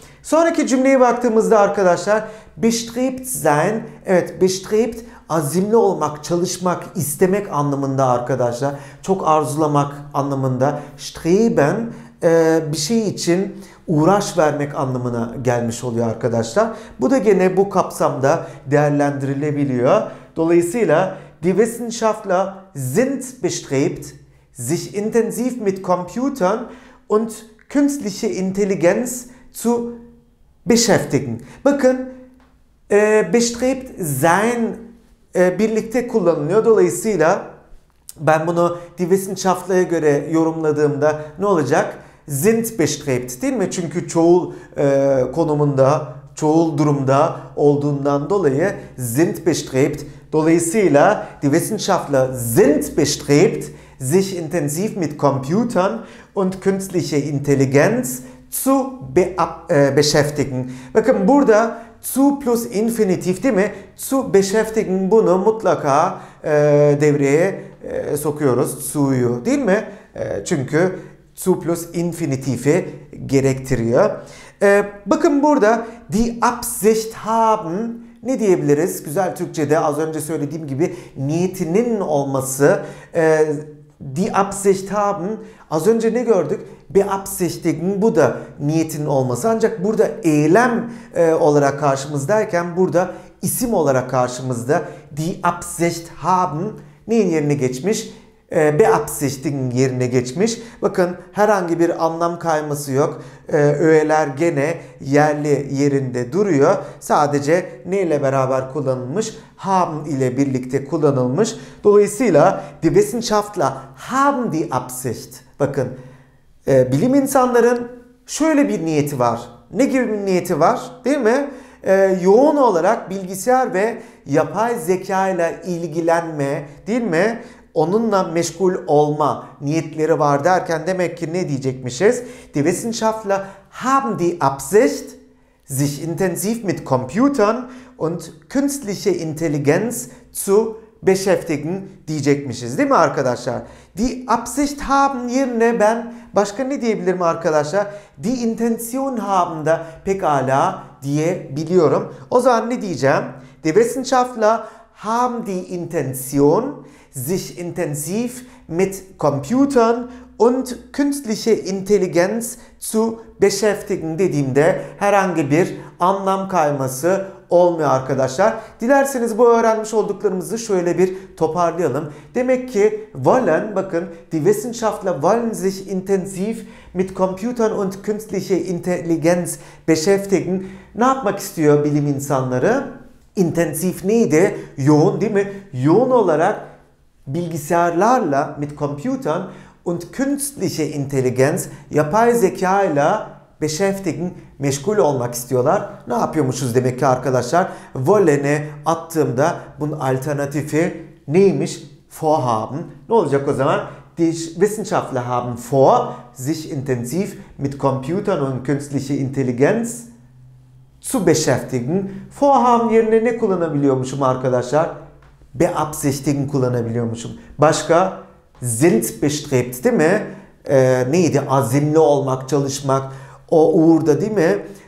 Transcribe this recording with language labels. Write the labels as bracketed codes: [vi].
[tr] Sonraki cümleye baktığımızda arkadaşlar, bestrebt sein, evet bestrebt, azimli olmak, çalışmak, istemek anlamında arkadaşlar. Çok arzulamak anlamında. Streben, bir şey için uğraş vermek anlamına gelmiş oluyor arkadaşlar. Bu da gene bu kapsamda değerlendirilebiliyor. Dolayısıyla [de] die Wissenschaftler sind bestrebt, sich intensiv mit Computern und künstliche Intelligenz zu beschäftigen. [tr] Bakın, bestrebt sein birlikte kullanılıyor. Dolayısıyla ben bunu die Wissenschaftler'a göre yorumladığımda ne olacak? [de] Sind bestrebt, [tr] değil mi? Çünkü çoğul konumunda, çoğul durumda olduğundan dolayı sind bestrebt. [de] Dolayısıyla die Wissenschaftler sind bestrebt, sich intensiv mit Computern und künstliche Intelligenz zu beschäftigen. [tr] Bakın burada zu plus infinitif, değil mi? [de] Zu beschäftigen, [tr] bunu mutlaka devreye sokuyoruz. Zu'yu, değil mi? Çünkü zu plus infinitifi gerektiriyor. Bakın burada die Absicht haben, ne diyebiliriz? Güzel Türkçe'de az önce söylediğim gibi niyetinin olması. [de] Die Absicht haben, [tr] az önce ne gördük? Beabsichtigen, bu da niyetinin olması. Ancak burada eylem olarak karşımızdayken burada isim olarak karşımızda [de] die Absicht haben [tr] neyin yerine geçmiş? Beabsichtigen yerine geçmiş. Bakın herhangi bir anlam kayması yok. Öğeler gene yerli yerinde duruyor. Sadece ne ile beraber kullanılmış? Haben ile birlikte kullanılmış. Dolayısıyla [de] die Wissenschaftler haben die Absicht. [tr] Bakın, bilim insanların şöyle bir niyeti var. Ne gibi bir niyeti var, değil mi? Yoğun olarak bilgisayar ve yapay zeka ile ilgilenme, değil mi? Onunla meşgul olma niyetleri var derken demek ki ne diyecekmişiz? [de] Die Wissenschaftler haben die Absicht, sich intensiv mit Computern und künstliche Intelligenz zu beschäftigen [tr] diyecekmişiz, değil mi arkadaşlar? Die Absicht haben yerine ben başka ne diyebilirim arkadaşlar? [de] Die Intention haben [tr] da pekala diyebiliyorum. O zaman ne diyeceğim? [de] Die Wissenschaftler haben die Intention, sich intensiv mit Computern und künstliche Intelligenz zu beschäftigen [tr] dediğimde herhangi bir anlam kayması olmuyor arkadaşlar. Dilerseniz bu öğrenmiş olduklarımızı şöyle bir toparlayalım. Demek ki [de] wollen, bakın, die Wissenschaftler wollen sich intensiv mit Computern und künstliche Intelligenz beschäftigen. [tr] Ne yapmak istiyor bilim insanları? Intensiv neydi? Yoğun, değil mi? Yoğun olarak bilgisayarlarla, [de] mit Computern und künstliche Intelligenz, [tr] yapay zeka ile beschäftigen, meşgul olmak istiyorlar. Ne yapıyormuşuz demek ki arkadaşlar? Wollen'e attığımda bunun alternatifi neymiş? Vorhaben. Ne olacak o zaman? [de] Die Wissenschaftler haben vor, sich intensiv mit Computern und künstliche Intelligenz zu beschäftigen. [tr] Vorhaben yerine ne kullanabiliyormuşum arkadaşlar? Beabsichtigen kullanabiliyormuşum. Başka? [de] Sind bestrebt, [tr] değil mi? Neydi? Azimli olmak, çalışmak, o uğurda, değil mi?